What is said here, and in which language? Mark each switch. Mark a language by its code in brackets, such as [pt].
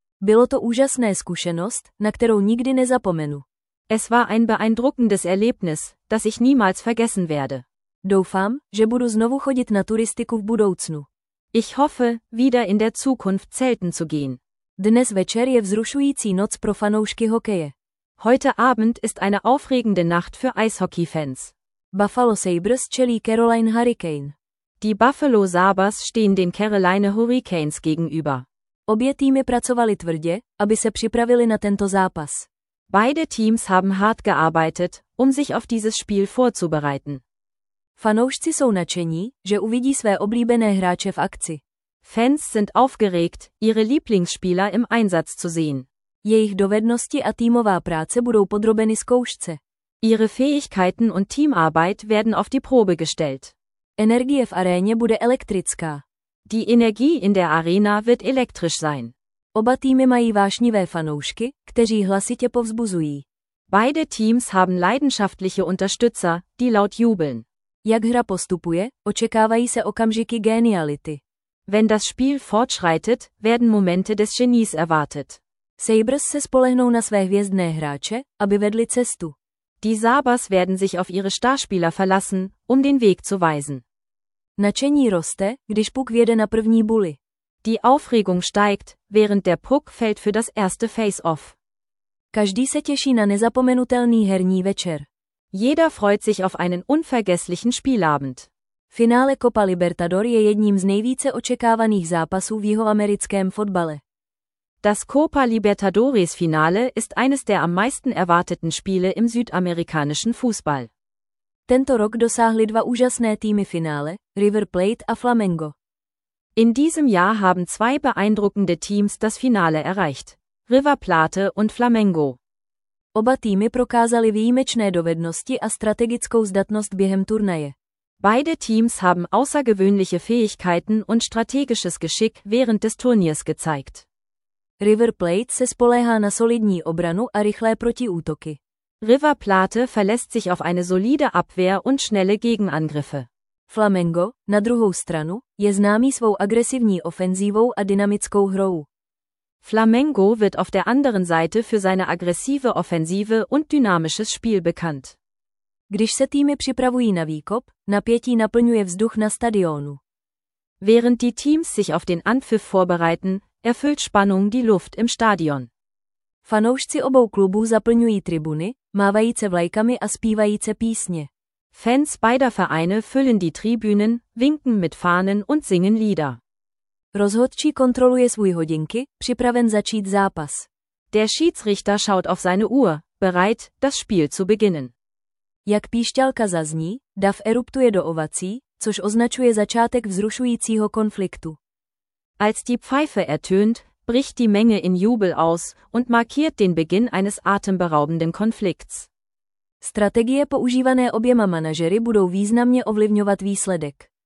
[cs] Bylo to úžasné zkušenost, na kterou nikdy nezapomenu. [de] Es war ein beeindruckendes Erlebnis, das ich niemals vergessen werde. [cs] Doufám, že budu znovu chodit na turistiku v budoucnu. [de] Ich hoffe, wieder in der Zukunft zelten zu gehen. [cs] Dnes večer je vzrušující noc pro fanoušky hokeje. [de] Heute Abend ist eine aufregende Nacht für Eishockey-Fans. [cs] Buffalo Sabres čelí Carolina Hurricane. [de] Die Buffalo Sabres stehen den Carolina Hurricanes gegenüber. [cs] Obě týmy pracovali tvrdě, aby se připravili na tento zápas. [de] Beide Teams haben hart gearbeitet, um sich auf dieses Spiel vorzubereiten. [cs] Fanoušci jsou nadšení, že uvidí své oblíbené hráče v akci. [de] Fans sind aufgeregt, ihre Lieblingsspieler im Einsatz zu sehen. [cs] Jejich dovednosti a týmová práce budou podrobeny zkoušce. [de] Ihre Fähigkeiten und Teamarbeit werden auf die Probe gestellt. [cs] Energie v aréně bude elektrická. [de] Die Energie in der Arena wird elektrisch sein. [cs] Oba týmy mají vášnivé fanoušky, kteří hlasitě povzbuzují. [de] Beide Teams haben leidenschaftliche Unterstützer, die laut jubeln. [cs] Jak hra postupuje, očekávají se okamžiky geniality. [de] Wenn das Spiel fortschreitet, werden Momente des Genies erwartet. [cs] Sabres se spolehnou na své hvězdné hráče, aby vedli cestu. [de] Die Sabres werden sich auf ihre Starspieler verlassen, um den Weg zu weisen. [cs] Nadšení roste, když puk vjede na první buly. [de] Die Aufregung steigt, während der Puck fällt für das erste Face-off. [cs] Každý se těší na nezapomenutelný herní večer. [de] Jeder freut sich auf einen unvergesslichen Spielabend. [cs] Finále Copa Libertadores je jedním z nejvíce očekávaných zápasů v jihoamerickém fotbale. [de] Das Copa Libertadores Finale ist eines der am meisten erwarteten Spiele im südamerikanischen Fußball. [cs] Tento rok dosáhly dva úžasné týmy finále, River Plate a Flamengo. [de] In diesem Jahr haben zwei beeindruckende Teams das Finale erreicht. River Plate und Flamengo. [cs] Oba týmy prokázaly výjimečné dovednosti a strategickou zdatnost během turnaje. [de] Beide Teams haben außergewöhnliche Fähigkeiten und strategisches Geschick während des Turniers gezeigt. [cs] River Plate se spoléhá na solidní obranu a rychlé protiútoky. [de] River Plate verlässt sich auf eine solide Abwehr und schnelle Gegenangriffe. [cs] Flamengo, na druhou stranu, je známý svou agresivní ofenzívou a dynamickou hrou. [de] Flamengo wird auf der anderen Seite für seine aggressive Offensive und dynamisches Spiel bekannt. [cs] Když se týmy připravují na výkop, napětí naplňuje vzduch na stadionu. [de] Während die Teams sich auf den Anpfiff vorbereiten, erfüllt Spannung die Luft im Stadion. [cs] Fanoušci obou klubů zaplňují tribuny, mávajíce vlajkami a zpívajíce písně. [de] Fans beider Vereine füllen die Tribünen, winken mit Fahnen und singen Lieder. [cs] Rozhodčí kontroluje svůj hodinky, připraven začít zápas. [de] Der Schiedsrichter schaut auf seine Uhr, bereit, das Spiel zu beginnen. [cs] Jak píšťalka zazní, dav eruptuje do ovací, což označuje začátek vzrušujícího konfliktu. [de] Als die Pfeife ertönt, bricht die Menge in Jubel aus und markiert den Beginn eines atemberaubenden Konflikts. [cs] Strategie používané oběma manažery budou významně ovlivňovat výsledek.